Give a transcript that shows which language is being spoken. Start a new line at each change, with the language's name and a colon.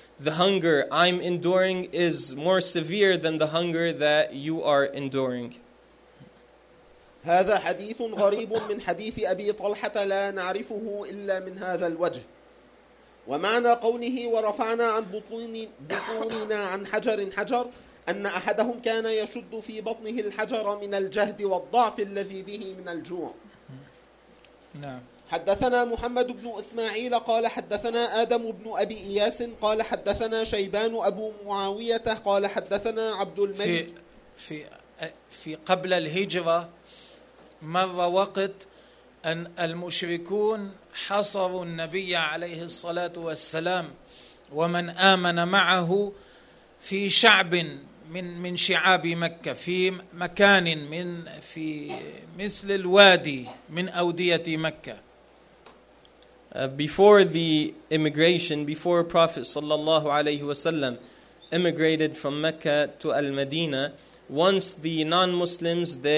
English: The hunger I'm enduring is more severe than the hunger that you are enduring.
Arabic: هذا حديث غريب من حديث أبي طلحة لا نعرفه إلا من هذا الوجه. ومعنى قوله ورفعنا عن بطوننا عن حجر حجر أن أحدهم كان يشد في بطنه الحجر من الجهد والضعف الذي به من الجوع. حدثنا محمد بن إسماعيل قال حدثنا آدم بن أبي إياس قال حدثنا شيبان أبو معاوية قال حدثنا عبد الملك في قبل الهجرة مر وقت أن المشركون حصروا النبي عليه الصلاة والسلام ومن آمن معه في شعب من شعاب مكة في مكان من في مثل الوادي من أودية مكة.
English: Before the immigration, before Prophet
Arabic: صلى الله عليه وسلم
English: immigrated from Mecca to Al-Madina, once the non-Muslims